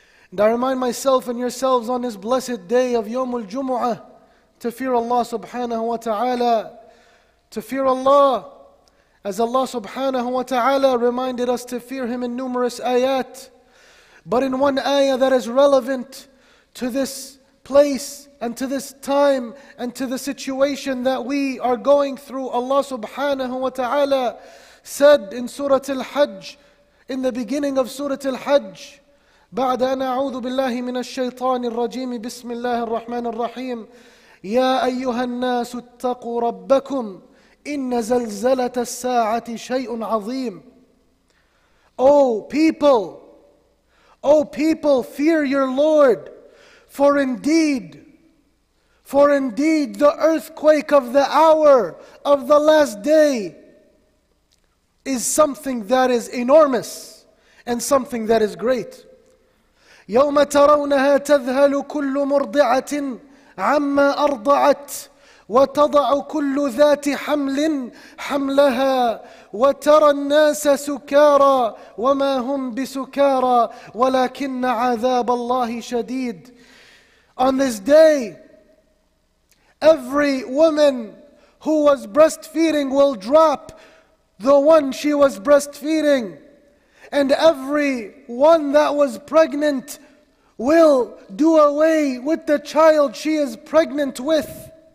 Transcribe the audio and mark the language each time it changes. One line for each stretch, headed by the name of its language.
English: And I remind myself and yourselves on this blessed day of Yawm al-Jumu'ah to fear Allah subhanahu wa ta'ala, to fear Allah as Allah subhanahu wa ta'ala reminded us to fear Him in numerous ayat. But in one ayah that is relevant to this place and to this time and to the situation that we are going through, Allah subhanahu wa ta'ala said in Surah Al-Hajj, in the beginning of Surah Al-Hajj,
Arabic: بعد أن أعوذ بالله من الشيطان الرجيم بسم الله الرحمن الرحيم يا أيها الناس اتقوا ربكم إن زلزلة الساعة شيء عظيم.
English: O people, fear your Lord, for indeed the earthquake of the hour of the last day is something that is enormous and something that is great.
Arabic: يوم ترونها تذهل كل مرضعة عما أرضعت وتضع كل ذات حمل حملها وترى الناس سكارى وما هم بسكارى ولكن عذاب الله شديد.
English: On this day, every woman who was breastfeeding will drop the one she was breastfeeding, and every one that was pregnant will do away with the child she is pregnant with.